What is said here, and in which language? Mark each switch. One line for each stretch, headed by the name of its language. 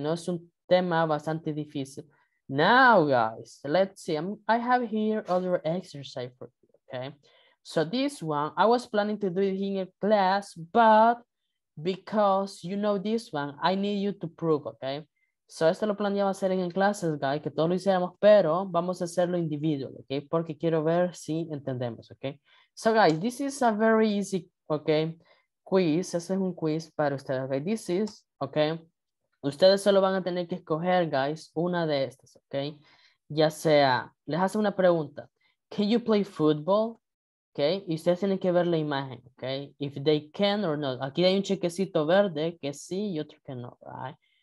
Spanish: No, es un tema bastante difícil.
English: Now, guys, let's see. I have here other exercise for you. Okay. So this one, I was planning to do it in a class, but because you know this one, I need you to prove, okay?
Spanish: So esto lo planeaba hacer en clases, guys, que todo lo hiciéramos, pero vamos a hacerlo individual, okay? Porque quiero ver si entendemos, okay?
English: So guys, this is a very easy, okay, quiz.
Spanish: Este es un quiz para ustedes, okay?
English: This is, okay?
Spanish: Ustedes solo van a tener que escoger, guys, una de estas, okay? Ya sea, les hace una pregunta.
English: Can you play football?
Spanish: Okay, y ustedes tienen que ver la imagen, okay?
English: If they can or not.
Spanish: Aquí hay un chequecito verde que sí y otro que no, right?